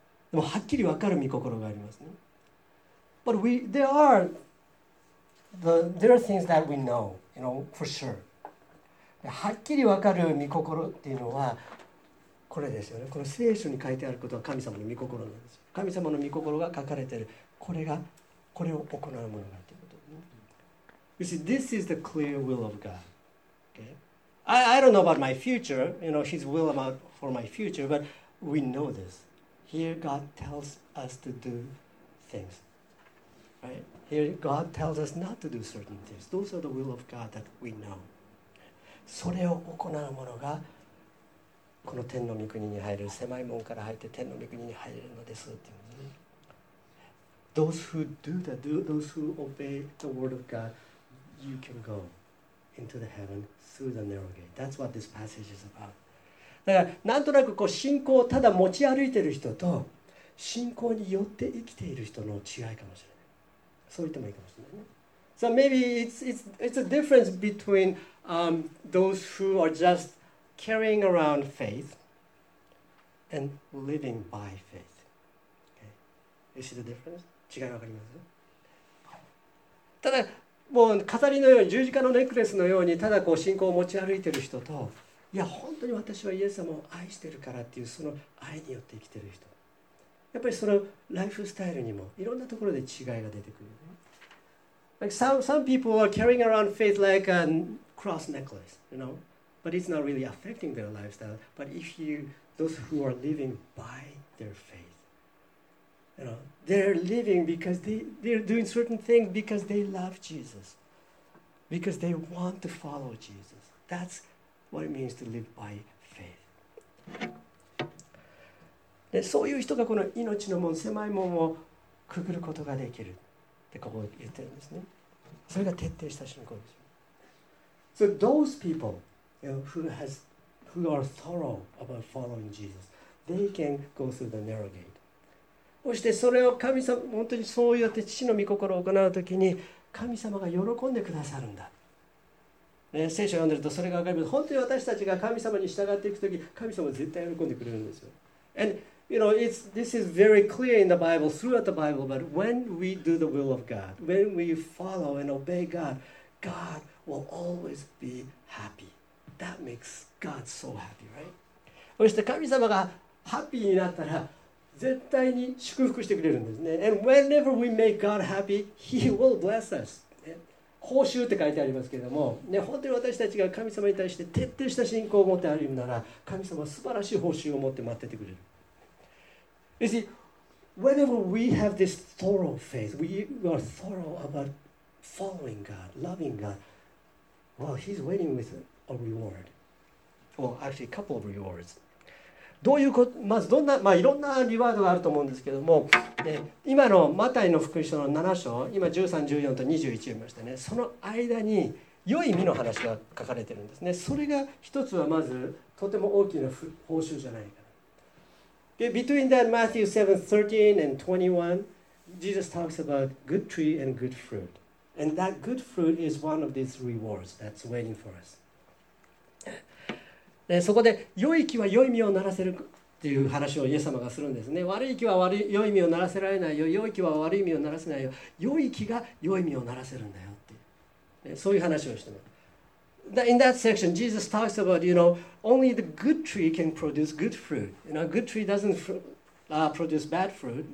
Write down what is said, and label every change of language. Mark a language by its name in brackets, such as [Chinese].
[Japanese] でもはっきりわかる御心がありますね。 [English] But there are things that we know, you know, for sure. [Japanese] はっきり分かる御心っていうのはこれですよね。この聖書に書いてあることは神様の御心なんですよ。神様の御心が書かれている。これがこれを行うものだということ、ね。 [English] You see, this is the clear will of God. Okay? I don't know about my future, you know, His will about for my future, but we know this. Here God tells us to do things. Right? Here God tells us not to do certain things. Those are the will of God that we know. [Japanese] それを行う者がこの天の御国に入る、狭い門から入って天の御国に入れるのですっていう、ね、 [English] Those who do that, those who obey the word of God, you can go into the heaven through the narrow gate. That's what this passage is about. [Japanese] だからなんとなくこう信仰をただ持ち歩いている人と信仰によって生きている人の違いかもしれない。そう言ってもいいかもしれないね。 [English] So maybe it's a difference betweenthose who are just carrying around faith and living by faith. Okay. You see the difference? [Japanese] 違いわかります？ただもう飾りのように十字架のネックレスのようにただこう信仰を持ち歩いている人と、いや本当に私はイエス様を愛してるからっていうその愛によって生きている人、やっぱりそのライフスタイルにもいろんなところで違いが出てくる。 [English] Like some people are carrying around faith like a cross necklace, you know, but it's not really affecting their lifestyle. But if you, those who are living by their faith, you know, they're living because they're doing certain things because they love Jesus, because they want to follow Jesus. That's what it means to live by faith. [Japanese] で、そういう人がこの命の門、狭い門をくぐることができる。ここ言ってるんですね。それが徹底した信仰です。 [English] So those people, you know, who are thorough about following Jesus, they can go through the narrow gate. [Japanese] そしてそれを神様、本当にそうやって父の御心を行うときに神様が喜んでくださるんだ。ね、聖書を読んでるとそれがわかります。本当に私たちが神様に従っていくとき、神様は絶対喜んでくれるんですよ。 [English] And,You know, this is very clear in the Bible, throughout the Bible, but when we do the will of God, when we follow and obey God, God will always be happy. That makes God so happy, right? [Japanese] そして神様がハッピーになったら、絶対に祝福してくれるんですね。 [English] And whenever we make God happy, He will bless us. [Japanese] 報酬って書いてありますけれども、ね、本当に私たちが神様に対して徹底した信仰を持って歩むなら、神様は素晴らしい報酬を持って待っててくれる。 [English] You see, whenever we have this thorough faith, we are thorough about following God, loving God, well, He's waiting with a reward. Well, actually, a couple of rewards. [Japanese] どういうこと、まずどんな、まあ、いろんなリワードがあると思うんですけども、今のマタイの福音書の7章、今13、14と21言いましたね。その間に良い実の話が書かれてるんですね。それが一つはまず、とても大きな報酬じゃないか。 [English] Between that Matthew 7:13 and 21, Jesus talks about good tree and good fruit. And that good fruit is one of these rewards that's waiting for us. [Japanese] でそこで良い木は良い実をならせるという話をイエス様がするんですね。悪い木は良い実をならせられないよ、良い木は悪い実をならせないよ、良い木が良い実をならせるんだよっていう、ね、そういう話をしてます。 [English] In that section, Jesus talks about, you know, only the good tree can produce good fruit. You know, a good tree doesn't produce bad fruit.